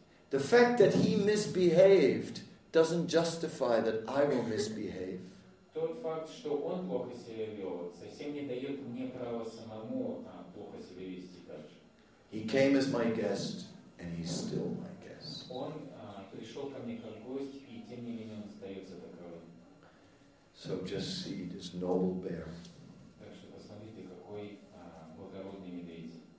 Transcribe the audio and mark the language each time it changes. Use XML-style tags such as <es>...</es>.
<en>The fact that he misbehaved doesn't justify that I will misbehave.</en> <ru>Тот факт, что он плохо себя вел, совсем не дает мне права самому плохо себя вести также.</ru> <en>He came as my guest, and he's still my guest.</en> <ru>Он пришел ко мне как гость, и тем не менее он остается таковым.</ru> <en>So just see this noble bear.</en> <ru>Так что посмотрите, какой благородный медведь.</ru>